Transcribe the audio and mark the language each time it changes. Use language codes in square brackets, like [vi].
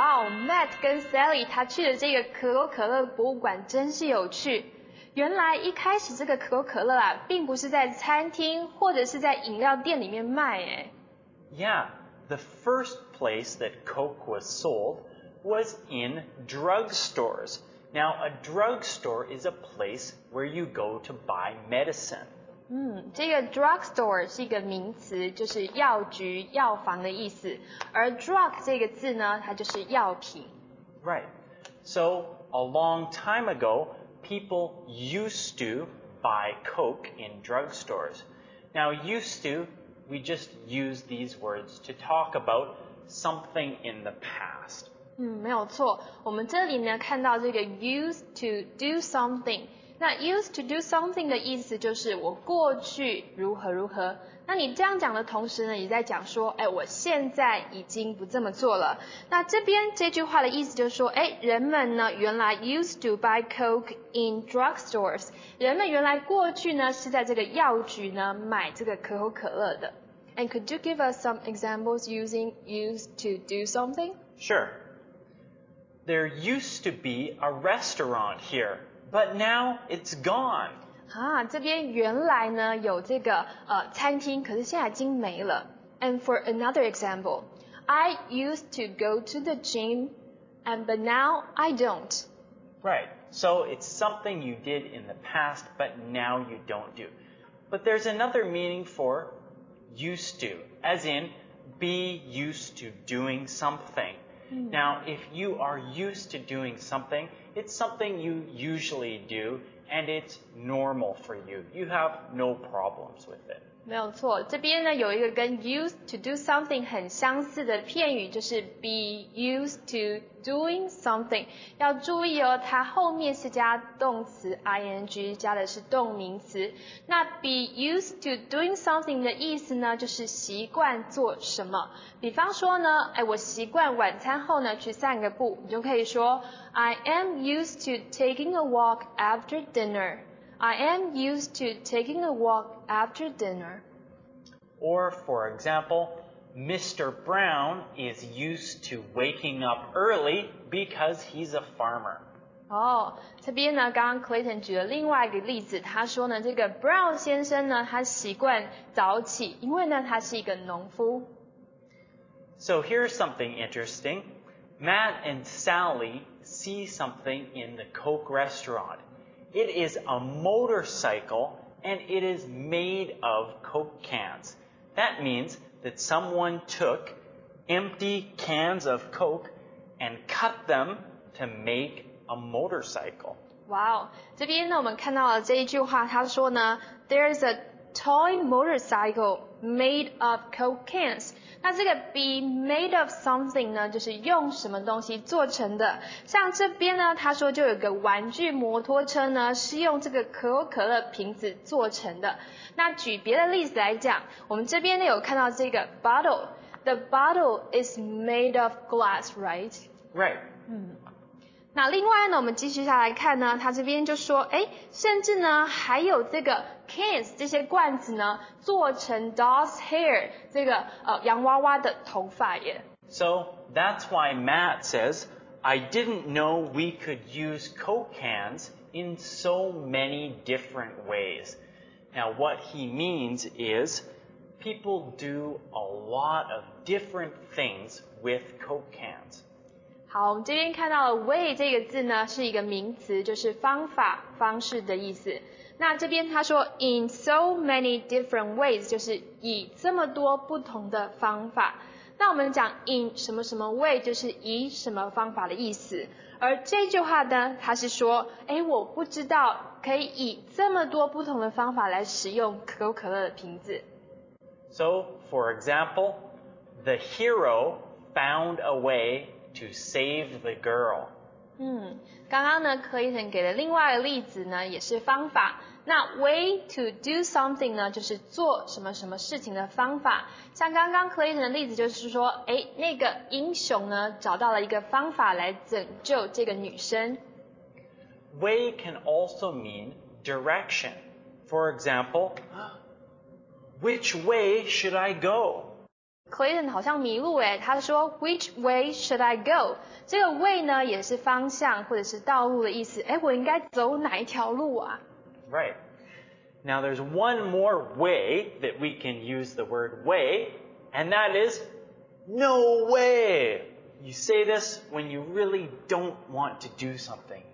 [zh] Matt 跟 Sally 他去的这个可口可乐博物馆真是有趣原来一开始这个可口可乐啊并不是在餐厅或者是在饮料店里面卖耶 [en] Yeah, the first place that Coke was sold was in drugstores Now a drugstore is a place where you go to buy medicine [zh] 这个 drugstore 是一个名词就是药局药房的意思而 drug 这个字呢它就是药品 [en] Right. So a long time ago, people used to buy Coke in drugstores. Now used to, we just use these words to talk about something in the past. [zh] 没有错我们这里呢看到这个 used to do something. 那 used to do something 的意思就是我过去如何如何那你这样讲的同时呢也在讲说哎，我现在已经不这么做了那这边这句话的意思就是说哎，人们呢原来 [en] used to buy coke in drugstores [zh] 人们原来过去呢是在这个药局呢买这个可口可乐的 [en] And could you give us some examples using used to do something? Sure there used to be a restaurant here, but now it's gone. [zh] 啊，这边原来呢有这个餐厅，可是现在已经没了。 [en] And for another example, I used to go to the gym, and but now I don't. Right. So it's something you did in the past, but now you don't do. But there's another meaning for used to, as in be used to doing something. Now, if you are used to doing something, it's something you usually do, and it's normal for you. You have no problems with it. [zh] 没有错，这边呢有一个跟 used to do something 很相似的片语，就是 be used to doing something。要注意哦，它后面是加动词 ing， 加的是动名词。那 be used to doing something 的意思呢，就是习惯做什么。比方说呢，哎，我习惯晚餐后呢去散个步，你就可以说 [en] I am used to taking a walk after dinner。 I am used to taking a walk after dinner. Or, for example, Mr. Brown is used to waking up early because he's a farmer. [zh] 哦，这边呢，刚刚 Clayton 举了另外一个例子，他说呢，这个 Brown 先生呢，他习惯早起，因为呢，他是一个农夫。 [en] So here's something interesting. Matt and Sally see something in the Coke restaurant. It is a motorcycle, and it is made of Coke cans. That means that someone took empty cans of Coke and cut them to make a motorcycle. [zh] Wow, 这边呢我们看到了这一句话，他说呢 , [en] there is a toy motorcycle made of Coke cans. [zh] 那这个 be made of something 呢，就是用什么东西做成的。像这边呢，他说就有个玩具摩托车呢，是用这个可口可乐瓶子做成的。那举别的例子来讲，我们这边呢有看到这个 bottle， [en] the bottle is made of glass， right？ Right。 [zh] 那另外呢，我们继续下来看呢，他这边就说，哎，甚至呢还有这个 cans 这些罐子呢，做成 doll's hair 这个洋娃娃的头发耶。 [en] So that's why Matt says I didn't know we could use Coke cans in so many different ways. Now what he means is people do a lot of different things with Coke cans. [zh] 好，我们这边看到了 way 这个字呢，是一个名词，就是方法、方式的意思。那这边他说 [en] in so many different ways， [zh] 就是以这么多不同的方法。那我们讲 in 什么什么 way， 就是以什么方法的意思。而这句话呢，他是说，哎，我不知道可以以这么多不同的方法来使用可口可乐的瓶子。 [en] So for example， the hero found a way. To save the girl. [zh] 刚刚呢 ，Clayton 给了另外的例子呢，也是方法。那 way to do something 呢，就是做什么什么事情的方法。像刚刚 Clayton 的例子，就是说，哎，那个英雄呢，找到了一个方法来拯救这个女生。 [en] Way can also mean direction. For example, which way should I go? [zh] Clayton 好像迷路耶，他说 [en] Which way should I go? [zh] 这个 way 呢也是方向或者是道路的意思，诶，我应该走哪一条路啊？ [en] Right. Now there's one more way that we can use the word way, and that is no way. You say this when you really don't want to do something.